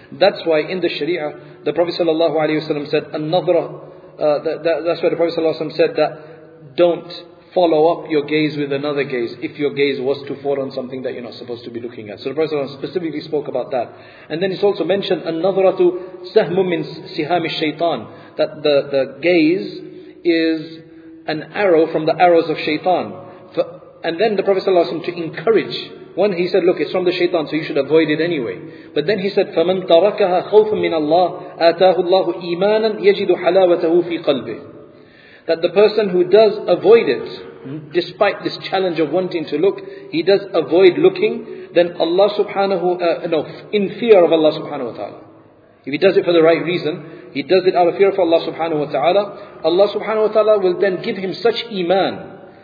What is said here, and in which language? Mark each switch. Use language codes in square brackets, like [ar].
[en] That's why in the Sharia, the Prophet sallallahu alaihi wasallam said, that's why the Prophet sallallahu alaihi wasallam said that don't follow up your gaze with another gaze if your gaze was to fall on something that you're not supposed to be looking at. So the Prophet sallallahu alaihi wasallam specifically spoke about that. And then it's also mentioned, [ar] an-nadratu sahmun min sihami shaitan, [en] that the gaze is an arrow from the arrows of shaitan. And then the Prophet sallallahu alaihi wasallam, to encourage, one, he said, look, it's from the shaitan, so you should avoid it anyway. [ar] But then he said, فَمَنْ تَرَكَهَا خَوْفٌ مِّنَ اللَّهِ آتَاهُ اللَّهُ إِيمَانًا يَجِدُ حَلَاوَتَهُ فِي قَلْبِهِ. [en] That the person who does avoid it, despite this challenge of wanting to look, he does avoid looking, then Allah subhanahu, in fear of Allah subhanahu wa ta'ala. If he does it for the right reason, he does it out of fear of Allah subhanahu wa ta'ala, Allah subhanahu wa ta'ala will then give him such iman.